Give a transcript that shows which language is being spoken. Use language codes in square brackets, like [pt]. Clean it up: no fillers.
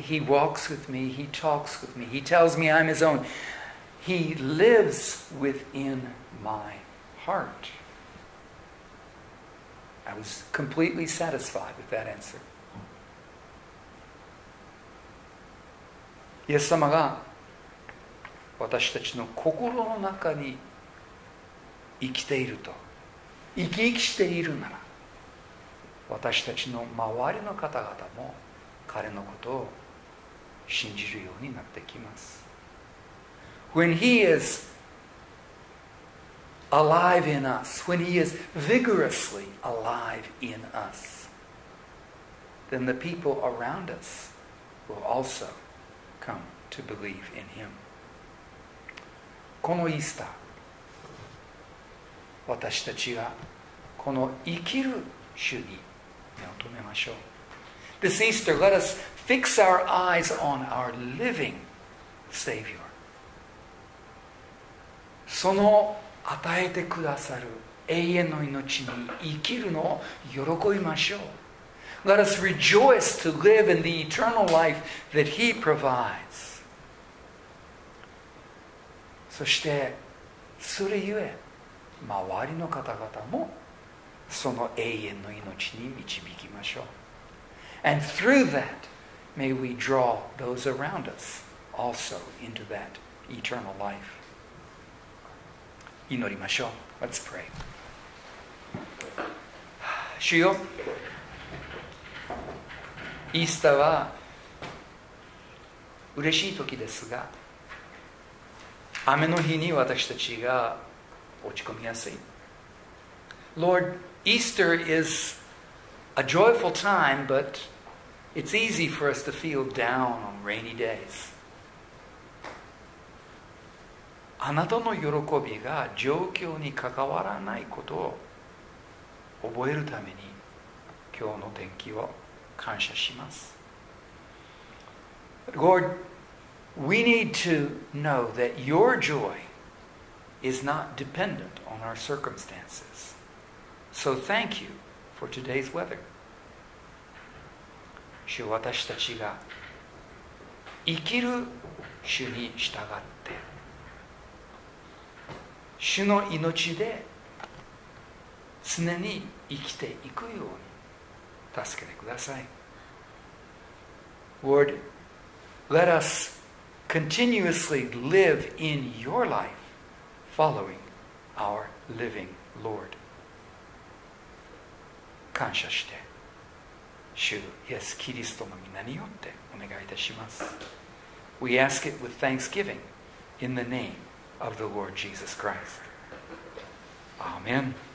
[en] He walks with me, he talks with me, he tells me I'm his own. He lives within my heart. I was completely satisfied with that answer. [ja] イエス様が私たちの心の中に生きていると、生き生きしているなら、私たちの周りの方々も彼のことを信じるようになってきます。 [en] When he is alive in us, when he is vigorously alive in us, then the people around us will also come. To believe in him. [ja] このイースター、私たちがこの生きる主に目を留めましょう。 [en] This Easter, let us fix our eyes on our living Savior. [ja] その与えてくださる永遠の命に生きるのを喜びましょう。 [en] Let us rejoice to live in the eternal life that he provides. [ja] そしてそれゆえ周りの方々もその永遠の命に導きましょう。 [en] And through that, may we draw those around us also into that eternal life. [ja] 祈りましょう。 [en] Let's pray. [ja] 主よ、イースターは嬉しい時ですが、雨の日に私たちが落ち込みやすい。 [en] Lord, Easter is a joyful time, but it's easy for us to feel down on rainy days. [ja] あなたの喜びが状況に関わらないことを覚えるために今日の天気を感謝します。 [en] Lord, we need to know that your joy is not dependent on our circumstances. So thank you for today's weather. [ja] 主、私たちが生きる主に従って、主の命で常に生きていくように助けてください。 [en] Lord, let us continuously live in your life, following our living Lord. [ja] 感謝して、主イエス・キリストの名によってお願いいたします。 [en] We ask it with thanksgiving in the name of the Lord Jesus Christ. Amen.